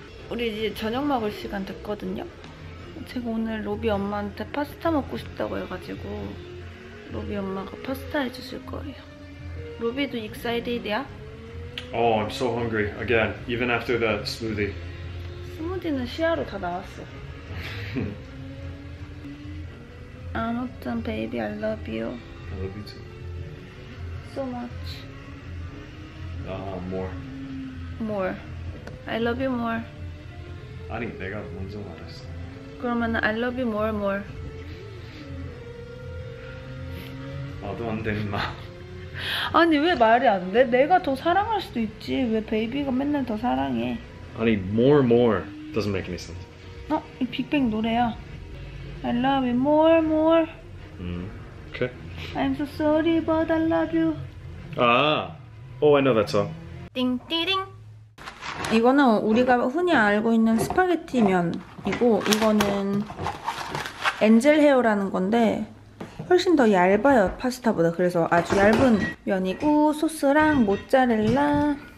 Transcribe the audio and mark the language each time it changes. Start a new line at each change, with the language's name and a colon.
Korean: 우리 이제 저녁 먹을 시간 됐거든요? 제가 오늘 로비 엄마한테 파스타 먹고 싶다고 해가지고 로비 엄마가 파스타 해주실 거예요. 로비도 excited야?
English: Oh, I'm so hungry again, even after that smoothie.
Korean: 스무디는 시야로 다 나왔어. 아무튼 베이비
English: I love you. I love you too. So much. More. More. I love you more.
Korean: 아니, 내가 먼저 말했어. 그러면
English: I love you more.
Korean: 말도 안 되는 말. 아니 왜 말이 안 돼? 내가 더 사랑할 수도 있지. 왜 베이비가 맨날 더 사랑해? 아니
English: more doesn't make any sense.
Korean: 어? 이 빅뱅 노래야.
English: I love you more.
Korean: 오케이.
English: I'm so sorry but I love you. 아, oh I know that song. 띵띠링.
Korean: 이거는 우리가 흔히 알고 있는 스파게티 면이고 이거는 엔젤 헤어라는 건데 훨씬 더 얇아요, 파스타보다. 그래서 아주 얇은 면이고 소스랑 모짜렐라.